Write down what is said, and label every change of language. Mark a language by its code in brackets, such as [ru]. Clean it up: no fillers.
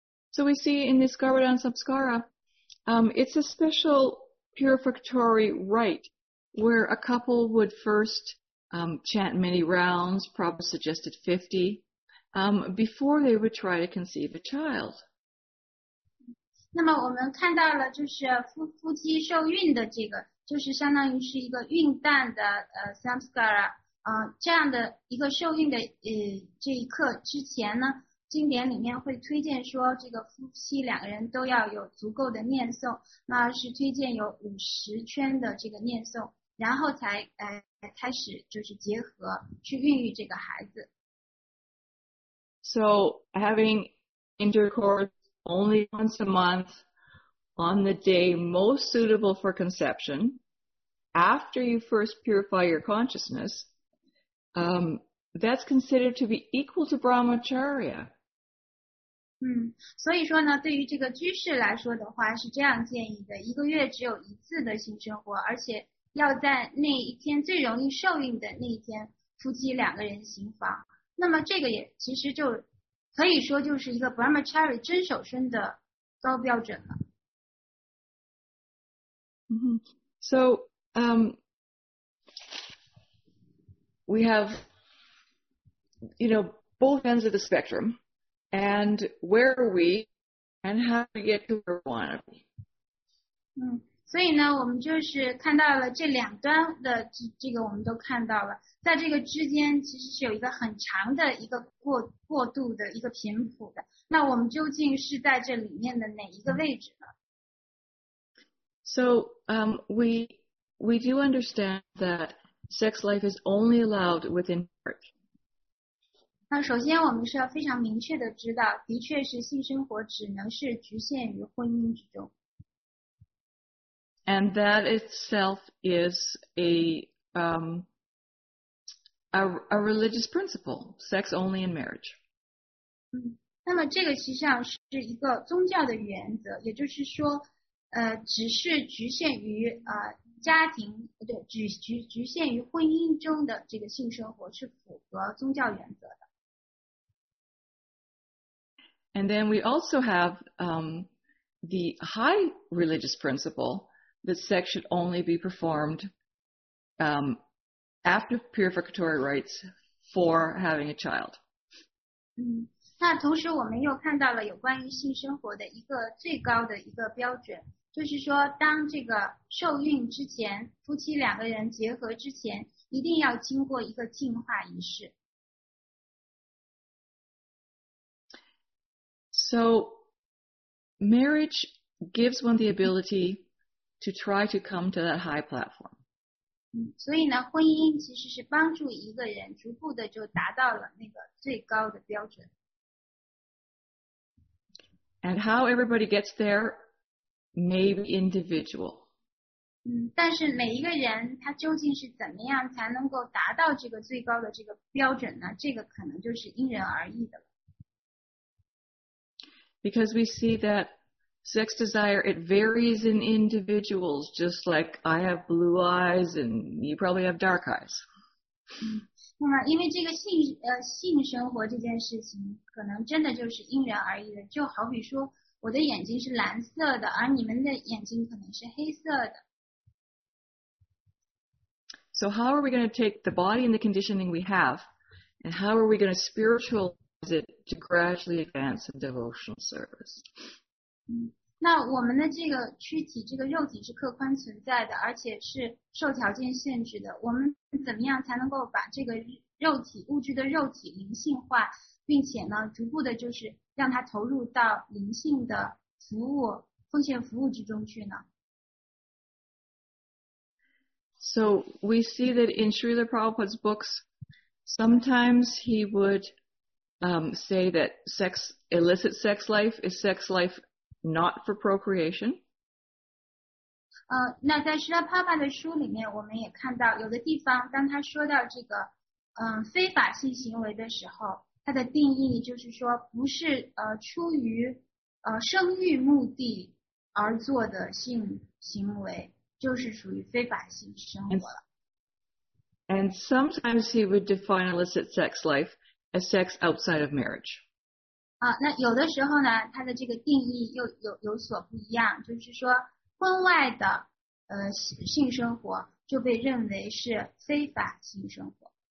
[en] So we see in this Garbhodan Samskara, it's a special purificatory rite. Where a couple would first chant many rounds, Prabhupada suggested 50, before they would try to conceive a child. [zh] 那么我们看到了就是 夫妻受孕的这个，就是相当于是一个孕诞的Samskara, 这样的一个受孕的这一刻之前呢，经典里面会推荐说这个夫妻两个人都要有足够的念诵，那是推荐有50圈的这个念诵。然后才开始就是结合去孕育这个孩子。 [en] So having intercourse only once a month on the day most suitable for conception, after you first purify your consciousness, that's considered to be equal to brahmacharya. [zh] 所以说呢，对于这个居士来说的话是这样建议的，一个月只有一次的性生活，而且要在那一天最容易受孕的那一天夫妻两个人行房，那么这个也其实就可以说就是一个 Brahmachari 真守身的高标准了。 [en] So, we have, you know, both ends of the spectrum, and where are we, and how to get to where we want to be. [zh] 所以呢，我们就是看到了这两端的这个，我们都看到了，在这个之间其实是有一个很长的一个过渡的一个频谱的。那我们究竟是在这里面的哪一个位置呢 [en] ？So, we do understand that sex life is only allowed within marriage. [zh] 那首先我们是要非常明确的知道，的确是性生活只能是局限于婚姻之中。 [en] And that itself is a religious principle, sex only in marriage. [zh] 那么这个实际上是一个宗教的原则，也就是说，只是局限于家庭，对，局限于婚姻中的这个性生活是符合宗教原则的。 [en] And then we also have the high religious principle that sex should only be performed after purificatory rites for having a child. [zh] 那同时我们又看到了有关于性生活的一个最高的一个标准，就是说当这个受孕之前，夫妻两个人结合之前，一定要经过一个净化仪式。 [en] So, marriage gives one the ability to try to come to that high platform. [zh] 所以呢，婚姻其实是帮助一个人逐步的就达到了那个最高的标准。 [en] And how everybody gets there may be individual. [zh] 但是每一个人他究竟是怎么样才能够达到这个最高的这个标准呢？这个可能就是因人而异的了。 [en] Because we see that sex desire, it varies in individuals, just like I have blue eyes and you probably have dark eyes. [zh] 那么因为这个性生活这件事情可能真的就是因人而异的，就好比说我的眼睛是蓝色的，而你们的眼睛可能是黑色的。 [en] So how are we going to take the body and the conditioning we have, and how are we going to spiritualize it to gradually advance in devotional service? [zh] 那我们的这个躯体，这个肉体是客观存在的，而且是受条件限制的。我们怎么样才能够把这个肉体，物质的肉体灵性化，并且呢，逐步的就是让它投入到灵性的服务、奉献服务之中去呢？ [en] So we see that in Srila Prabhupada's books, sometimes he would say that sex, illicit sex life is sex life not for procreation. [zh] 那在Srila Prabhupada的书里面，我们也看到有的地方，当他说到这个非法性行为的时候，他的定义就是说不是出于生育目的而做的性行为。就是属于非法性生活了。 [en] And sometimes he would define illicit sex life as sex outside of marriage. [zh] 那有的时候呢，他的这个定义又有所不一样，就是说婚外的性生活就被认为是非法性生活。